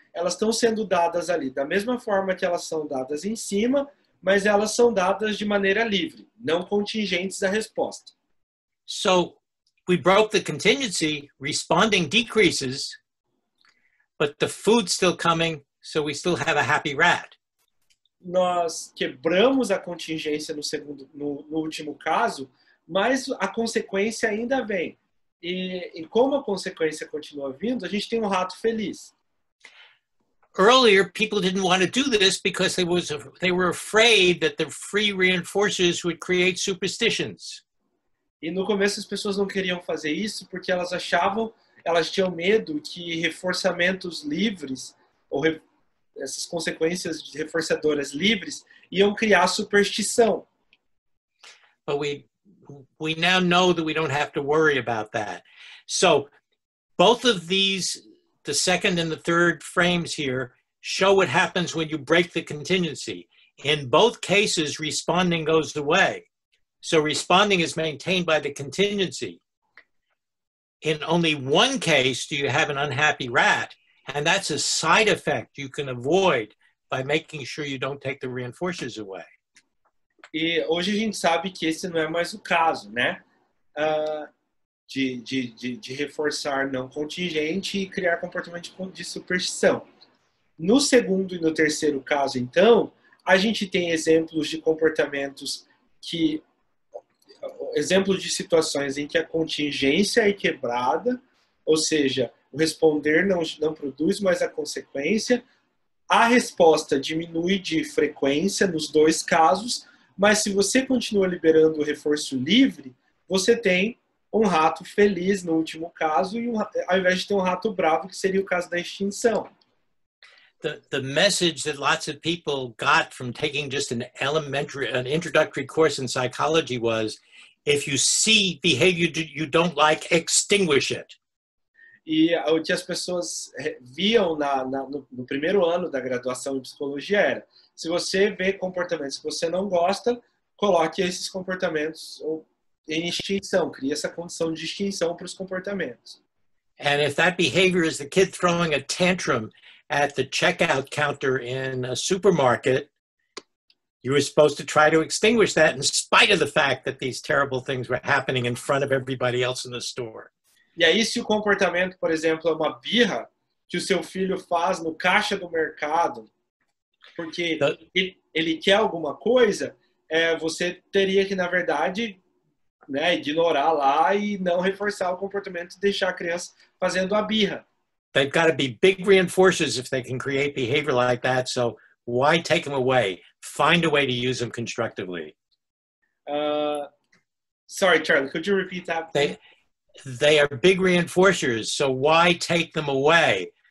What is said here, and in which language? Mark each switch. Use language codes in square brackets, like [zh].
[pt] Elas estão sendo dadas ali da mesma forma que elas são dadas em cima, mas elas são dadas de maneira livre, não contingentes à resposta. [en] So, we broke the contingency, responding decreases, but the food's still coming, so we still have a happy rat. [pt] Nós quebramos a contingência no último caso, mas a consequência ainda vem. E como a consequência continua vindo, a gente tem um rato feliz. [en] Earlier, people didn't want to do this because they were afraid that the free reinforcers would create superstitions. [pt] E no começo as pessoas não queriam fazer isso porque elas tinham medo que reforçamentos livres ou essas consequências de reforçadoras livres iam criar superstição. [en] We now know that we don't have to worry about that. So both of these, the second and the third frames here, show what happens when you break the contingency. In both cases, responding goes away. So responding is maintained by the contingency. In only one case do you have an unhappy rat, and that's a side effect you can avoid by making sure you don't take the reinforcers away. [pt] E hoje a gente sabe que esse não é mais o caso, né? De reforçar não contingente e criar comportamento de superstição. No segundo e no terceiro caso, então, a gente tem exemplos de comportamentos que... Exemplos de situações em que a contingência é quebrada, ou seja, o responder não produz mais a consequência. A resposta diminui de frequência nos dois casos, mas se você continua liberando o reforço livre, você tem um rato feliz no último caso, ao invés de ter um rato bravo, que seria o caso da extinção. [en] The message that lots of people got from taking just an introductory course in psychology was, if you see behavior you don't like, extinguish it. [pt] E o que as pessoas viam no primeiro ano da graduação em psicologia era, se você vê comportamentos que você não gosta, coloque esses comportamentos em extinção, crie essa condição de extinção para os comportamentos. [en] And if that behavior is the kid throwing a tantrum at the checkout counter in a supermarket, you were supposed to try to extinguish that in spite of the fact that these terrible things were happening in front of everybody else in the store. [pt] E aí, se o comportamento, por exemplo, é uma birra que o seu filho faz no caixa do mercado, porque ele quer alguma coisa, você teria que, na verdade, né, ignorar lá e não reforçar o comportamento e deixar a criança fazendo a birra. [en] They've got to be big reinforcers if they can create behavior like that, so why take them away? Find a way to use them constructively. Sorry, Charlie, could you repeat that? They are big reinforcers, so why take them away?